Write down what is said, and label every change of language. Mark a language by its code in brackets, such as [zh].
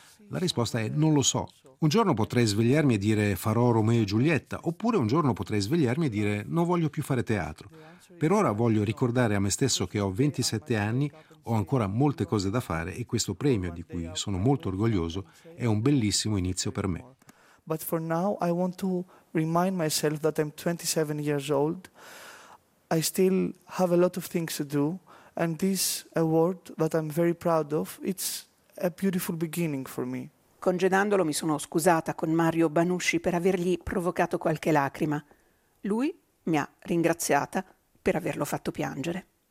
[it] La risposta è non lo so. Un giorno potrei svegliarmi e dire farò Romeo e Giulietta, oppure un giorno potrei svegliarmi e dire non voglio più fare teatro. Per ora voglio ricordare a me stesso che ho 27 anni, ho ancora molte cose da fare e questo premio, di cui sono molto orgoglioso, è un bellissimo inizio per me. [en] But for now I want to remind myself that I'm 27 years old. I still have a lot of things to do and this award that I'm very proud of, it's a beautiful beginning for me. [it] Congedandolo mi sono scusata con Mario Banucci per avergli provocato qualche lacrima. Lui mi ha ringraziata per averlo fatto piangere.